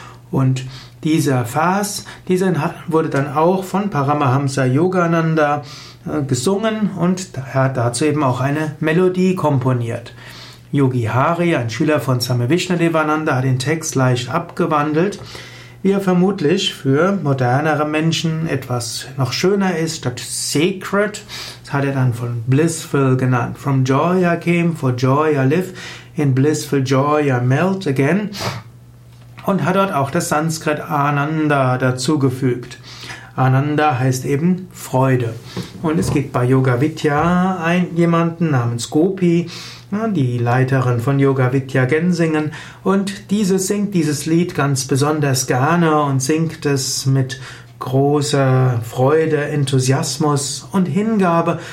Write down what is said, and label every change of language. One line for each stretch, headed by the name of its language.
German: Und dieser Vers, dieser wurde dann auch von Paramahamsa Yogananda gesungen, und er hat dazu eben auch eine Melodie komponiert. Yogi Hari, ein Schüler von Swami Vishnudevananda, hat den Text leicht abgewandelt, wie er vermutlich für modernere Menschen etwas noch schöner ist. Statt sacred, das hat er dann von blissful genannt.
English: From joy I came, for joy I live, in blissful joy I melt again.
German: Und hat dort auch das Sanskrit Ananda dazugefügt. Ananda heißt eben Freude. Und es gibt bei Yoga Vidya jemanden namens Gopi, die Leiterin von Yoga Vidya Gensingen. Und diese singt dieses Lied ganz besonders gerne und singt es mit großer Freude, Enthusiasmus und Hingabe.